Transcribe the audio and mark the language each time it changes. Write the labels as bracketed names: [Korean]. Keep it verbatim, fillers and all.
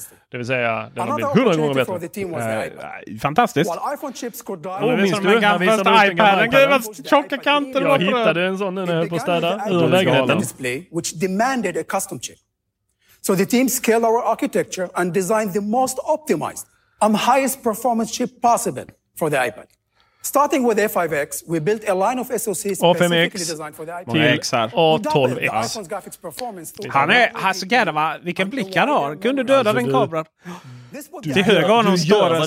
[Swedish] Det vill säga, den har blivit hundra gånger bättre. Fantastiskt. Och minns du, han visade ut iPaden. Gud vad tjocka kanter. Jag hittade en sån nu när jag höll på att städa ur lägenheten. [English] Which demanded a custom chip. So the team scaled our architecture and designed the most optimized and highest performance chip possible for the iPad. Starting with A five X, we built a line of S O Cs specifically designed for the iPad. [Swedish] A tolv X. Han är, han så gärna va, vilken blick han har. Kunde döda den kabran. Till höger har någon står